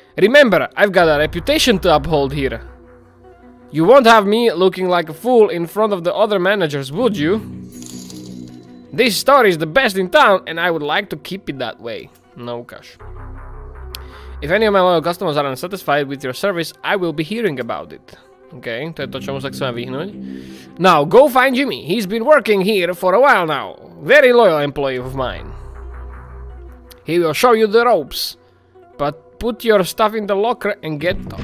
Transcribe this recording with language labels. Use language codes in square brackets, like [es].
[en] Remember, I've got a reputation to uphold here. You won't have me looking like a fool in front of the other managers, would you? This store is the best in town and I would like to keep it that way. No cash. If any of my loyal customers are unsatisfied with your service, I will be hearing about it. [sk] Okay, to je to, čomu sa chceme vyhnúť. [en] Now, go find Jimmy. He's been working here for a while now. Very loyal employee of mine. He will show you the ropes. But put your stuff in the locker and get to...